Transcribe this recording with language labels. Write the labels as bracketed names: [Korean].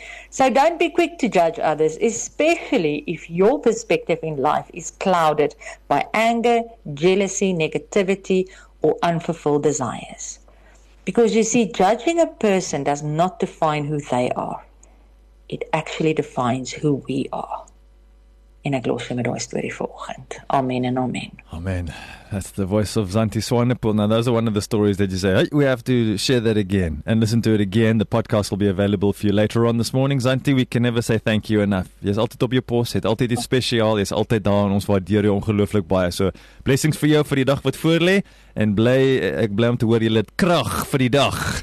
[English] So don't be quick to judge others, especially if your perspective in life is clouded by anger, jealousy, negativity, or unfulfilled desires. Because you see, judging a person does not define who they are. It actually defines who we are. [Afrikaans] En ek los met daai storie vir oggend. Amen en amen. Amen. [English] That's the voice of Zanti Swanepoel. Now, those are one of the stories that you say, hey, we have to share that again and listen to it again. The podcast will be available for you later on this morning. Zanti, we can never say thank you enough. [Afrikaans] Jy is altyd op jou pos, het altyd iets spesiaal, jy is altyd daar en ons waardeer jou ongelooflik baie. So, blessings vir jou vir die dag wat voorlê en ek bly om te hoor jy het krag vir die dag.